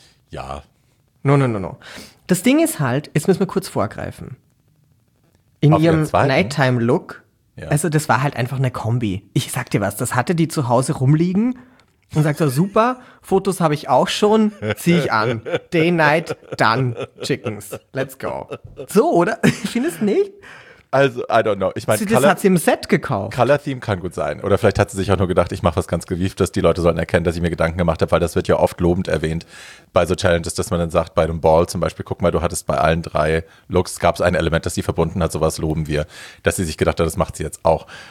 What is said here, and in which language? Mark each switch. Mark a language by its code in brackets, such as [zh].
[de] Ja. [en] No. [de] Das Ding ist halt, jetzt müssen wir kurz vorgreifen. In auf ihrem Nighttime-Look, ja. Also das war halt einfach eine Kombi. Ich sag dir was, das hatte die zu Hause rumliegen und sagt so, super, Fotos habe ich auch schon, zieh ich an. [en] Day, night, done, chickens, let's go. [de] So, oder? Ich finde es nicht. [en] Also, I don't know. [de] Ich meine, das hat sie im Set gekauft. Color-Theme kann gut sein. Oder vielleicht hat sie sich auch nur gedacht, ich mache was ganz Gewieftes. Die Leute sollten erkennen, dass ich mir Gedanken gemacht habe, weil das wird ja oft lobend erwähnt bei so Challenges, dass man dann sagt, bei einem Ball zum Beispiel, guck mal, du hattest bei allen drei Looks, gab es ein Element, das sie verbunden hat, sowas loben wir, dass sie sich gedacht hat, das macht sie jetzt auch.